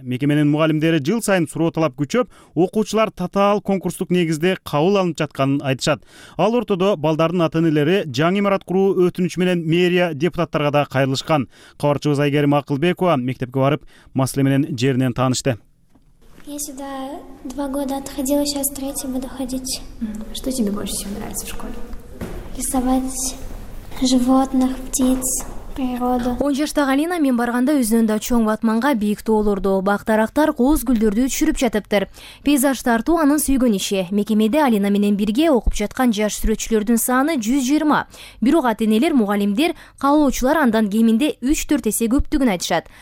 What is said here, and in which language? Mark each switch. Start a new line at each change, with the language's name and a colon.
Kyrgyz: Мекеменин мугалимдери жыл сайын суроо талап күчөп, окуучулар татаал конкурстук негизде кабыл алынып жатканын айтышат. Ал ортодо балдардын ата-энелери жаңы имарат куруу өтүнүчү менен мэрия депутаттарга да кайрылышкан. Кабарчыбыз Айгерим Акылбекова мектепке барып маселе менен жеринен таанышты.
Russian: Я сюда 2 года отходила, сейчас 3-й буду ходить. Что тебе больше всего нравится в школе? Рисовать животных, птиц.
Kyrgyz: 10 жаштагы Алина мен барганда өзүнүн да чоң батманга бийик тоолорду, бак дарактар, кооз гүлдөрдү түшүрүп жатыптыр. Пейзаж тартуу анын сүйгөн иши. Мекемеде Алина менен бирге окуп жаткан жаш сүрөтчүлөрдүн саны 120. Бирок ата-энелер, мугалимдер, каалоочулар андан кеминде 3-4 эсе көптүгүн айтышат.